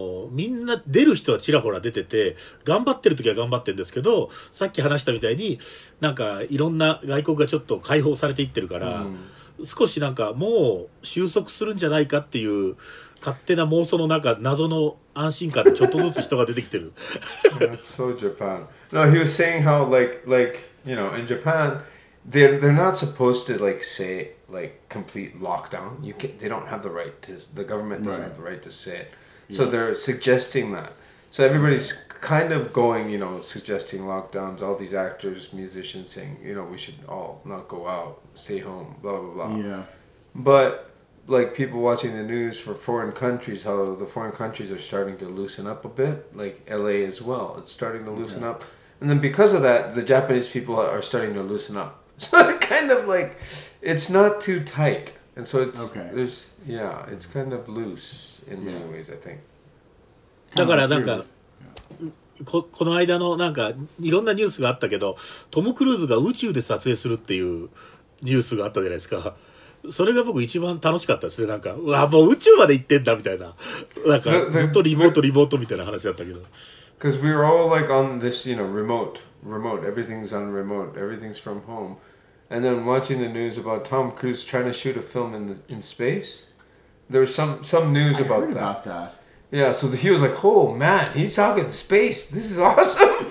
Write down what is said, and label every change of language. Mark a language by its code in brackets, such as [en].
[ja] みんな出る人はちらほら出てて、頑張ってる時は頑張ってるんですけど、さっき話したみたいになんかいろんな外国がちょっと解放されていってるから、うん、少しなんかもう収束するんじゃないかっていう勝手な妄想の中、謎の安心感でちょっとずつ人が出てきてる。 [en] So Japan. No, he was saying how like you know, in Japan, they're not supposed to like say like complete lockdown. You can, they don't have the right to, the government doesn't have the right to say it. So they're suggesting that. So everybody's kind of going, you know, suggesting lockdowns. All these actors, musicians saying, you know, we should all not go out, stay home, blah blah blah. Yeah. But like people watching the news for foreign countries, how the foreign countries are starting to loosen up a bit, like LA as well, it's starting to loosen up. And then because of that, the Japanese people are starting to loosen up. So kind of like, it's not too tight. And so it's, there's, yeah, it's kind of loose in many ways, I think. [ja] だからなんか、この間のなんかいろんなニュースがあったけど、トム・クルーズが宇宙で撮影するっていうニュースがあったじゃないですか。それが僕一番楽しかったですね。なんか、うわ、もう宇宙まで行ってんだみたいな。なんか、ずっとリモート、リモートみたいな話だったけど。 [en] Because we were all like on this, you know, remote. Everything's on remote. Everything's from home. And then watching the news about Tom Cruise trying to shoot a film in space. There was some news about that. I heard about that. Yeah, so he was like, oh man, he's talking space. This is awesome.